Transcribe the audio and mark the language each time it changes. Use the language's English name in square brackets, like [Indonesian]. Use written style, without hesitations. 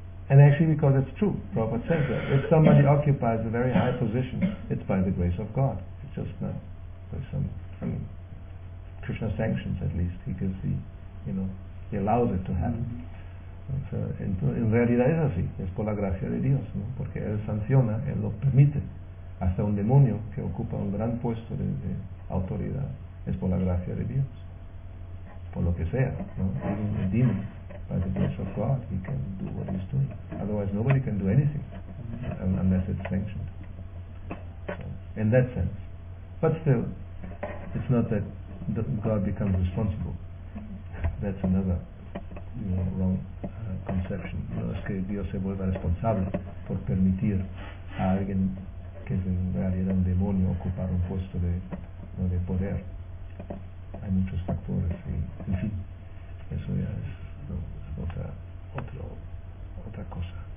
[English] And actually because it's true, Prabhupada says that. If somebody occupies a very high position, it's by the grace of God. It's just not by some, I mean, Krishna sanctions, at least he gives the, you know, he allows it to happen. Mm-hmm. [Spanish] So, entonces, en realidad es así, es por la gracia de Dios, ¿no? Porque él sanciona, él lo permite. Hasta un demonio que ocupa un gran puesto de autoridad es por la gracia de Dios. por lo que sea, ¿no? [English] Even a demon, by the grace of God, he can do what he's doing. Otherwise, nobody can do anything unless it's sanctioned. So, in that sense. But still, it's not that God becomes responsible. That's another wrong conception. [Spanish] No es que Dios se vuelva responsable por permitir a alguien que en realidad era un demonio ocupar un puesto de poder. Hay muchos factores y, en fin, eso ya es, no, es otra cosa.